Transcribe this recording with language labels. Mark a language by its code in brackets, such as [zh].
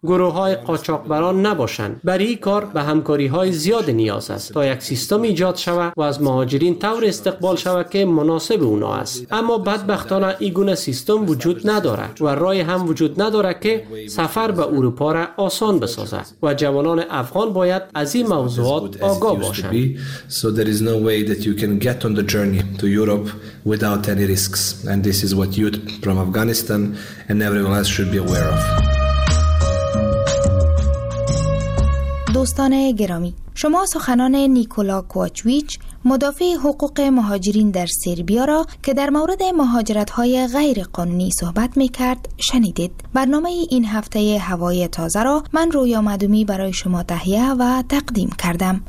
[fa] گروه های قاچاقبران نباشند. برای این کار به همکاری های زیاد نیاز است تا یک سیستم ایجاد شود و از مهاجرین طور استقبال شود که مناسب اونا است. اما بدبختانه این گونه سیستم وجود نداره و راهی هم وجود نداره که سفر به اروپا را آسان بسازد و جوانان افغان باید از این موضوع [en] So there is no way that you can get on the journey to Europe without any risks. And this is what youth from Afghanistan and everyone else should be aware of. [fa] دوستان گرامی، شما سخنان نیکولا کوچویچ، مدافع حقوق مهاجرین در سربیا را که در مورد مهاجرت‌های غیر قانونی صحبت می‌کرد، شنیدید. برنامه این هفته هوای تازه را من رویا مدومی برای شما تهیه و تقدیم کردم.